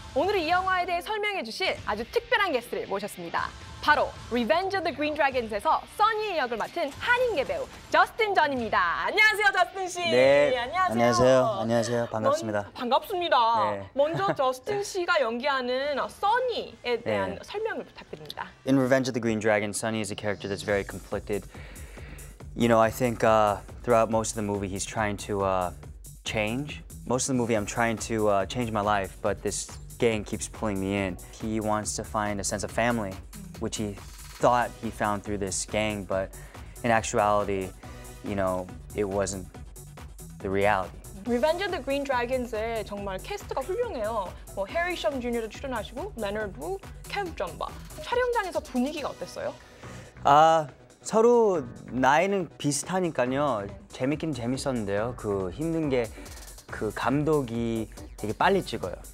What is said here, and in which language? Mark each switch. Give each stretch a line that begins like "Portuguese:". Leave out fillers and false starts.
Korean: 오늘 이 영화에 대해 설명해 주실 아주 특별한 게스트를 모셨습니다. 바로 Revenge of the Green Dragons에서 써니의 역을 맡은 한인계 배우 저스틴 전입니다. 안녕하세요, 저스틴 씨. 네, 안녕하세요. 안녕하세요. 안녕하세요. 반갑습니다. 반갑습니다. 네. 먼저 저스틴 씨가 연기하는 써니에 대한 네. 설명을 부탁드립니다.
English: In Revenge of the Green Dragon, Sonny is a character that's very conflicted. You know, I think throughout most of the movie, he's trying to change. Most of the movie, I'm trying to change my life, but this gang keeps pulling me in. He wants to find a sense of family. Which he thought he found through this gang, but in actuality, you know, it wasn't the reality.
Korean: Revenge of the Green Dragons의 정말 캐스트가 훌륭해요. 뭐 해리 셈 주니어도 출연하시고, 레너드 루, 캠프 점바. 촬영장에서 분위기가 어땠어요? 아, 서로 나이는 비슷하니까요. 재밌긴 재밌었는데요. 그 힘든 게 그 감독이 되게 빨리 찍어요.